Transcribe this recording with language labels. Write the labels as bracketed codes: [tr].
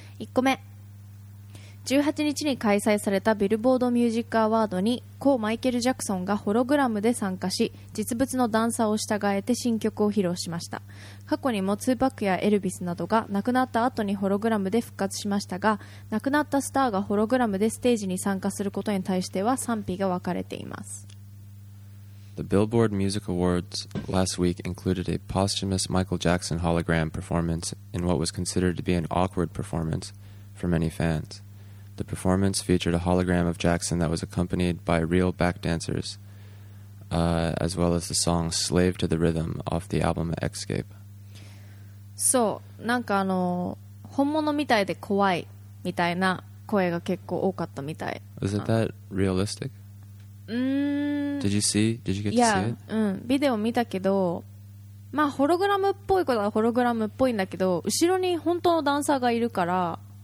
[ja] 1個目、18日に開催されたビルボードミュージックアワードに故マイケル・ジャクソンがホログラムで参加し、実物のダンサーを従えて新曲を披露しました。過去にもツーパックやエルビスなどが亡くなった後にホログラムで復活しましたが、亡くなったスターがホログラムでステージに参加することに対しては賛否が分かれています。 [en] The Billboard Music Awards last week included a posthumous Michael Jackson hologram performance in what was considered to be an awkward performance for many fansThe performance featured a hologram of Jackson that was accompanied by real back dancers, as well as the song Slave to the Rhythm off the album Escape. [ja] そう、なんかあの、本物みたいで怖いみたいな声が結構多かったみたい。 [en] Is it that realistic? Did you see? Did you get to see it? [ja] うん、ビデオ見たけど、まあホログラムっぽいことはホログラムっぽいんだけど、後ろに本当のダンサーがいるから。